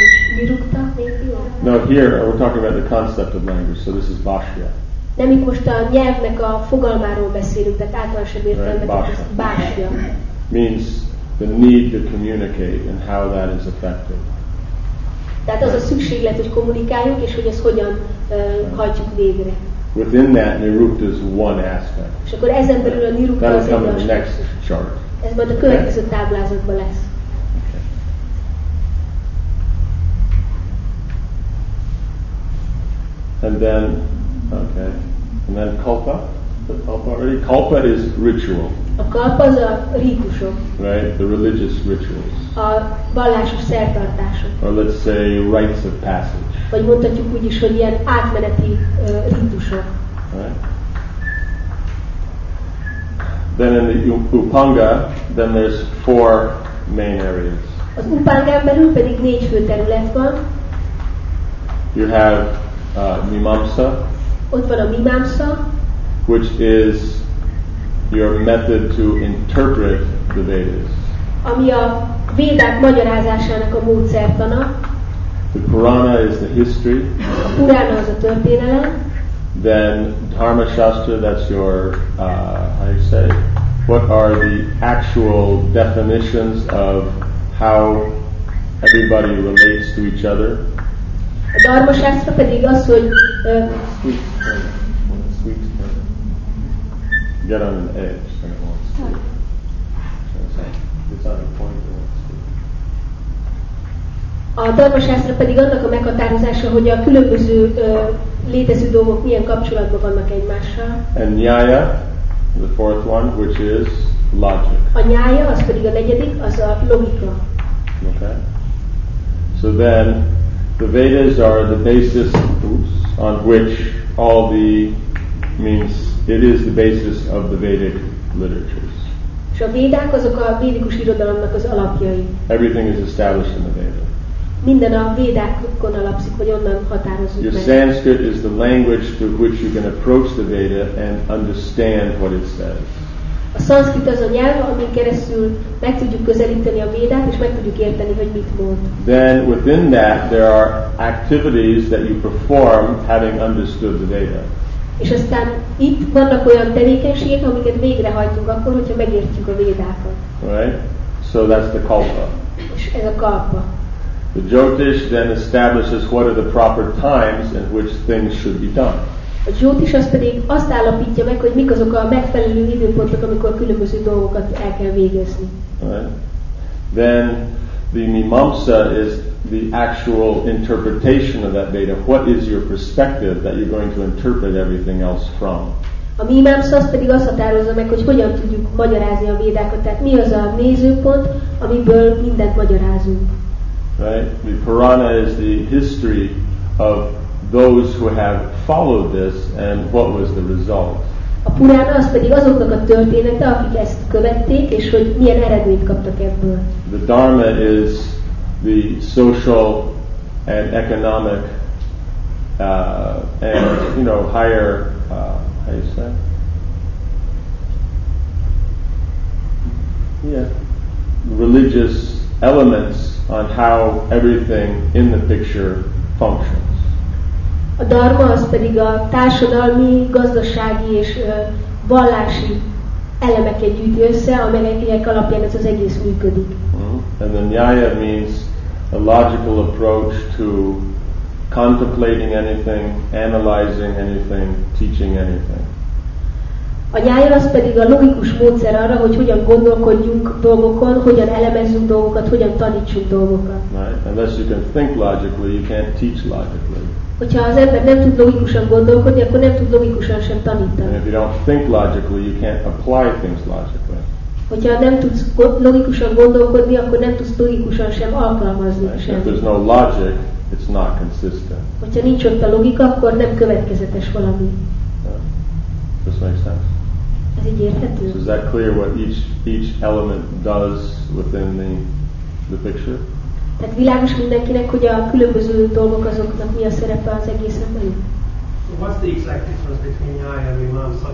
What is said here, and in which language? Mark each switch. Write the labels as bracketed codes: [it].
[en] No, here we're talking about the concept of language, so this is Bhashya. [hu] Nem, itt most a nyelvnek a fogalmáról beszélünk, tehát általános értelemben ez Bhashya. [en] Means the need to communicate and how that is affected. [hu] Tehát az a szükséglet, hogy kommunikáljunk, és hogy ezt hogyan hajtjuk végre. [en] Within that, nirukta is one aspect. [hu] És akkor ezen belül a nirukta az egy aspekt. [en] That'll come in the next chart. [hu] Ez majd a következő táblázatban lesz. [en] And then, okay, and then kalpa, the kalpa already. Kalpa is ritual. [hu] A kalpa az a rítusok. [en] Right, the religious rituals. [hu] A vallásos szertartások. [en] Or let's say rites of passage. [hu] Vagy mondhatjuk úgy is, hogy ilyen átmeneti rítusok. [en] Then in the Upanga, then there's four main areas. [hu] Az Upangán belül pedig négy fő terület van. [en] You have Mimamsa. [hu] Ott van a Mimamsa, [en] which is your method to interpret the Vedas. [hu] Ami a Védák magyarázásának a módszertana. [en] The Purana is the history. [hu] A Purana az a történelem. [en] Then Dharma Shastra, that's your how you say, what are the actual definitions of how everybody relates to each other? [hu] A Dharma Shastra pedig az, hogy [en] get on an edge, and it won't sleep. It's on a point, it won't sleep. [hu] A Dharma Shastra pedig annak a meghatározása, hogy a különböző létező dolgok milyen kapcsolatban vannak egymással. [en] And Nyaya, the fourth one, which is logic. [hu] A Nyaya, az pedig a negyedik, az a logika. [en] Okay. So then, the Vedas are the basis on which all the means. It is the basis of the Vedic literatures. [hu] És a Védák azok a védikus irodalomnak az alapjai. [en] Everything is established in the Veda. [hu] Minden a Védákon alapszik, hogy onnan határozzuk meg. [en] Sanskrit is the language through which you can approach the Veda and understand what it says. [hu] A Sanskrit az a nyelv, amin keresztül meg tudjuk közelíteni a Védát, és meg tudjuk érteni, hogy mit mond. [en] Then within that there are activities that you perform having understood the Veda. [hu] És aztán itt vannak olyan tevékenységek, amiket végrehajtunk akkor, hogyha megértjük a Védákat. [en] Right? So that's the kalpa. [hu] És ez a kalpa. [en] The Jyotish then establishes what are the proper times in which things should be done. [hu] A Jyotish az pedig azt állapítja meg, hogy mik azok a megfelelő időpontok, amikor különböző dolgokat el kell végezni. [en] Right. Then the Mimamsa is the actual interpretation of that Veda. What is your perspective that you're going to interpret everything else from? [hu] A Mimamsa az pedig azt határozza meg, hogy hogyan tudjuk magyarázni a Védákat. Tehát mi az a nézőpont, amiből mindent magyarázunk. [en] Right? The Purana is the history of those who have followed this and what was the result. [hu] A Purana az pedig azoknak a története, akik ezt követték, és hogy milyen eredményt kaptak ebből. [en] The Dharma is the social and economic and, you know, higher, how you say? Yeah. Religious elements on how everything in the picture functions. [hu] A dharma az pedig a társadalmi, gazdasági és vallási elemeket gyűjti össze, amelyek alapján ez az egész működik. [en] And then nyaya means a logical approach to contemplating anything, analyzing anything, teaching anything. [hu] A nyájon az pedig a logikus módszer arra, hogy hogyan gondolkodjunk dolgokon, hogyan elemezzünk dolgokat, hogyan tanítsunk dolgokat. [en] Right. Unless you can think logically, you can't teach logically. [hu] Hogyha az ember nem tud logikusan gondolkodni, akkor nem tud logikusan sem tanítani. [en] And if you don't think logically, you can't apply things logically. [hu] Hogyha nem tudsz logikusan gondolkodni, akkor nem tudsz logikusan sem alkalmazni [en] right. [hu] semmit. [en] If there's no logic, it's not consistent. [hu] Hogyha nincs ott a logika, akkor nem következetes valami. [en] This makes sense. So is that clear what each element does within the picture? [hu] Tehát világos mindenkinek, hogy a különböző dolgok azoknak mi a szerepe az egész emberi? [en] What's the exact difference between nyája and mimamsa?